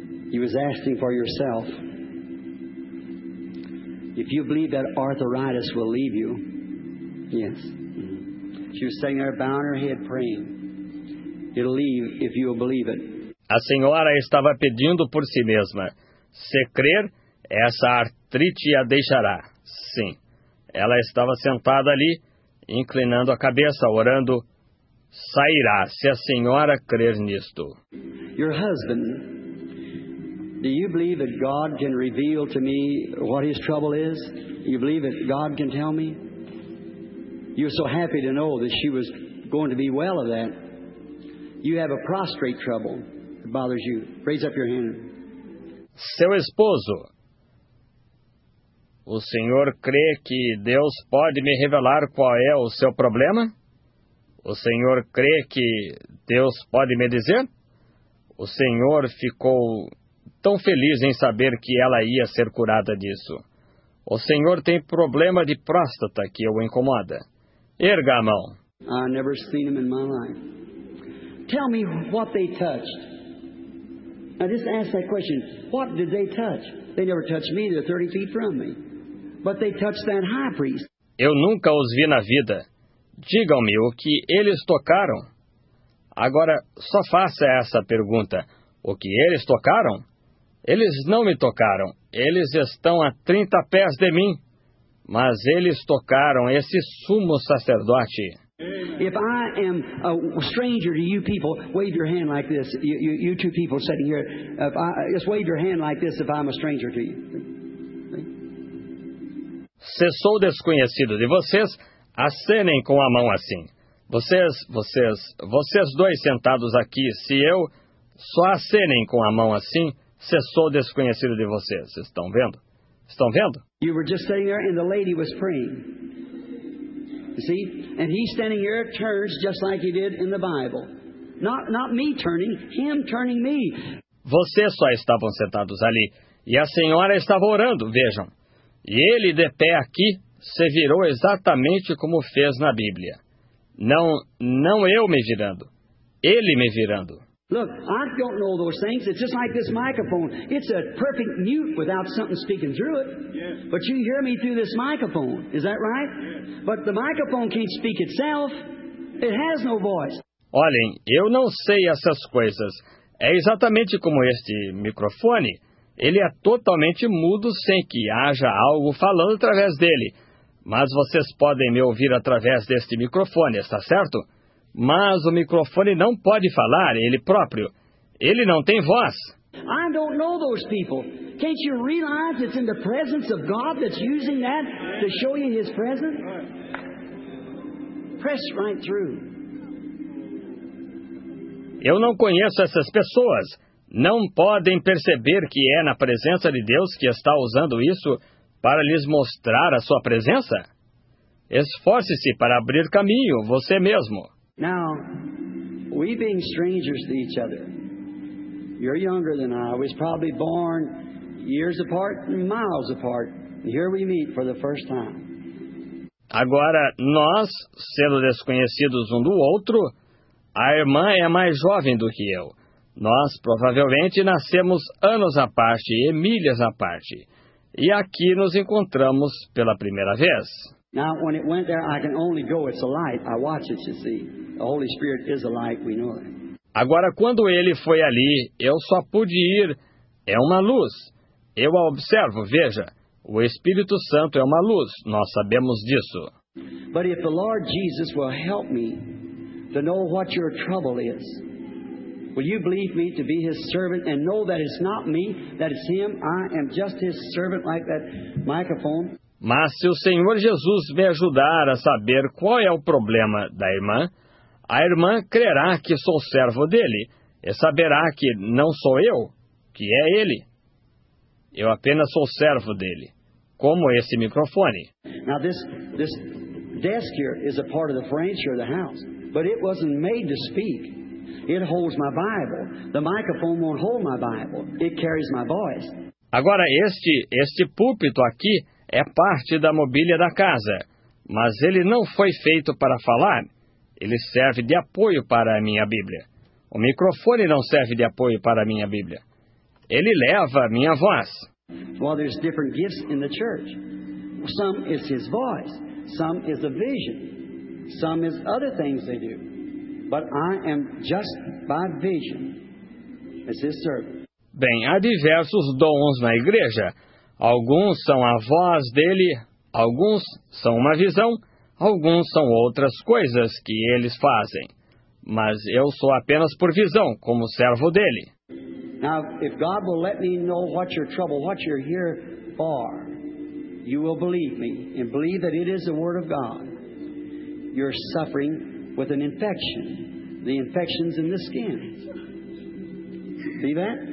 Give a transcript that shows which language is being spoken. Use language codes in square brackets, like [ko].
[en] He was asking for yourself. If you believe that arthritis will leave you, yes. She was sitting there bowing her head praying. It'll leave if you believe it. [pt] A senhora estava pedindo por si mesma. Se crer, essa artrite a deixará. Sim. Ela estava sentada ali, inclinando a cabeça, orando. Sairá, se a senhora crer nisto. [en] Your husband, do you believe that God can reveal to me what his trouble is? You believe that God can tell me? You're so happy to know that she was going to be well of that. You have a prostate trouble that bothers you. Raise up your hand. [pt] Seu esposo, o senhor crê que Deus pode me revelar qual é o seu problema? O senhor crê que Deus pode me dizer? O senhor ficou tão feliz em saber que ela ia ser curada disso. O senhor tem problema de próstata que o incomoda. Erga a mão. [en] I never seen him in my life. Tell me what they touched. Now just ask that question. What did they touch? They never touched me. They're 30 feet from me. But they touched that high priest. [pt] Eu nunca os vi na vida. Digam-me o que eles tocaram. Agora, só faça essa pergunta. O que eles tocaram? Eles não me tocaram. Eles estão a 30 pés de mim. Mas eles tocaram esse sumo sacerdote. [en] If I am a stranger to you people, wave your hand like this. You two people sitting here, just wave your hand like this if I'm a stranger to you. [pt] Se sou desconhecido de vocês, acenem com a mão assim. Vocês dois sentados aqui, se eu só acenem com a mão assim, se sou desconhecido de vocês. Estão vendo? Estão vendo? [en] You were just sitting there and the lady was praying. You see? And he standing here turns just like he did in the Bible. Not me turning, him turning me. [pt] Vocês só estavam sentados ali. E a senhora estava orando, vejam. E ele de pé aqui se virou exatamente como fez na Bíblia. Não eu me virando. Ele me virando. [en] Look, I don't know those things. It's just like this microphone. It's a perfect mute without something speaking through it. Yes. But you hear me through this microphone. Is that right? Yes. But the microphone can't speak itself. It has no voice. [pt] Olhem, eu não sei essas coisas. É exatamente como este microfone. Ele é totalmente mudo sem que haja algo falando através dele. Mas vocês podem me ouvir através deste microfone, está certo? Mas o microfone não pode falar, ele próprio. Ele não tem voz. [en] I don't know those people. Can't you realize it's in the presence of God that's using that to show you his presence? Press right through. [pt] Eu não conheço essas pessoas. Não podem perceber que é na presença de Deus que está usando isso para lhes mostrar a sua presença? Esforce-se para abrir caminho, você mesmo. [en] Now, we being strangers to each other, you're younger than I was probably born years apart and miles apart. Here we meet for the first time. [pt] Agora, nós, sendo desconhecidos um do outro, a irmã é mais jovem do que eu. Nós, provavelmente, nascemos anos à parte e milhas à parte. E aqui nos encontramos pela primeira vez. [en] Now, when it went there, I can only go. It's a light. I watch it, you see. The Holy Spirit is a light, we know that. [pt] Agora, quando ele foi ali, eu só pude ir. É uma luz. Eu a observo, veja. O Espírito Santo é uma luz. Nós sabemos disso. [en] But if the Lord Jesus will help me to know what your trouble is, will you believe me to be his servant and know that it's not me, that it's him? I am just his servant like that microphone. [pt] Mas se o Senhor Jesus me ajudar a saber qual é o problema da irmã, a irmã crerá que sou servo dele e saberá que não sou eu, que é ele. Eu apenas sou servo dele, como esse microfone. [en] Now this desk here is a part of the furniture of the house, but it wasn't made to speak. It holds my Bible. The microphone won't hold my Bible. It carries my voice. [pt] Agora este púlpito aqui é parte da mobília da casa, mas ele não foi feito para falar. Ele serve de apoio para a minha Bíblia. O microfone não serve de apoio para a minha Bíblia. Ele leva a minha voz. [en] Well, there's different gifts in the church. Some is his voice, some is a vision, some is other things they do. But I am just by vision as his servant. [pt] Bem, há diversos dons na igreja. Alguns são a voz dele, alguns são uma visão, alguns são outras coisas que eles fazem. Mas eu sou apenas por visão, como servo dele. [en] Now, if God will let me know what your trouble, what you're here for, you will believe me and believe that it is the word of God. You're suffering with an infection. The infection's in the skin. See that?